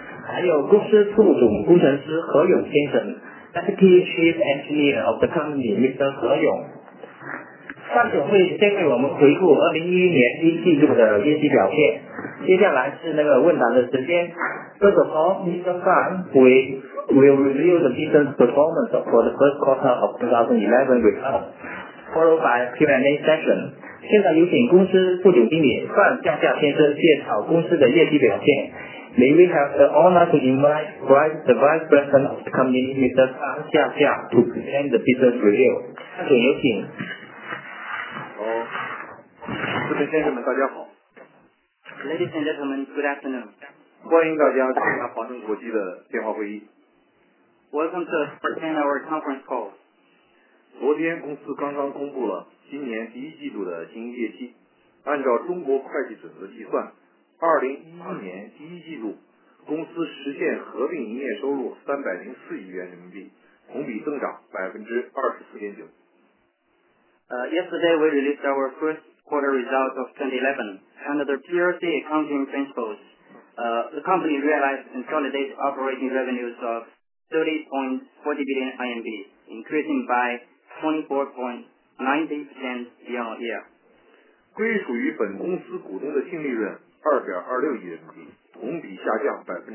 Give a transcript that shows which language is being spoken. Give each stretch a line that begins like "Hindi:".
Chinese: 还有公司副总工程师何勇先生。
English: Deputy Chief Engineer of the Company, Mr. 何勇。
Chinese: 上总会先为我们回顾2011年第一季度的业绩表现，接下来是那个问答的时间。
English: First of all, Mr. Fan, we will review the business performance for the first quarter of 2011 result, followed by Q&A session.
Chinese: 现在有请公司副总经理范夏夏先生介绍公司的业绩表现。
English: May we have the honor to invite the Vice President of the Company, Mr. 范夏夏, to present the business review.
Chinese: 范总有请。好，各位先生们大家好。
English: Ladies and gentlemen, good afternoon.
Chinese: 欢迎大家参加华能国际的电话会议。
English: Welcome to the 10-hour conference call.
Chinese: 昨天公司刚刚公布了今年第一季度的经营业绩，按照中国会计准则计算，2011年第一季度，公司实现合并营业收入304亿元人民币，同比增长24.9%。
English: Yesterday we released our first quarter results of 2011. Under the PRC accounting principles, the company realized consolidated operating revenues of 30.40 billion RMB, increasing by 24.90% year on year.
Chinese: 归属于本公司股东的净利润2.26亿人民币，同比下降76.25%。